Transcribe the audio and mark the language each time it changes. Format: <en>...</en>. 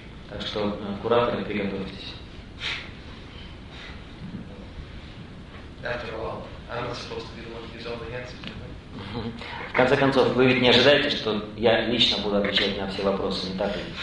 <ru>Так что, кураторы, приготовьтесь.</ru> <en>After all, I'm not supposed to be the one who gives all the answers.</en> <ru>В конце концов, вы ведь не ожидаете, что я лично буду отвечать на все вопросы, не так ли?</ru>